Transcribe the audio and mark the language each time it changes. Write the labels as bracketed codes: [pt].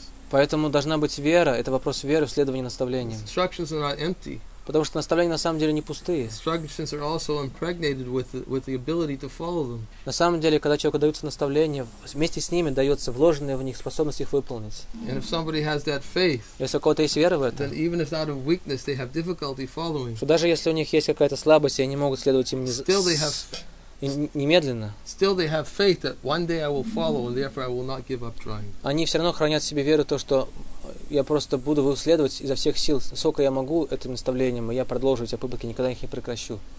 [ru] Поэтому должна быть вера, это вопрос веры в следовании наставлениям. [en] Instructions are not empty. [ru] Потому что наставления на самом деле не пустые. [en] Instructions are also impregnated with the ability to follow them. [ru] На самом деле, когда человеку даются наставления, вместе с ними дается вложенная в них способность их выполнить. [en] And if somebody has that faith, [ru] если у кого-то есть вера в это, [en] then even if out of weakness, they have difficulty following. [ru] Что даже если у них есть какая-то слабость, и они могут следовать им [en] still they have [ru] и немедленно. [en] Still they have faith that one day I will follow and therefore I will not give up trying. [ru] Они все равно хранят в себе веру в то, что я просто буду следовать изо всех сил, сколько я могу этим наставлением, и я продолжу эти попытки, никогда их не прекращу.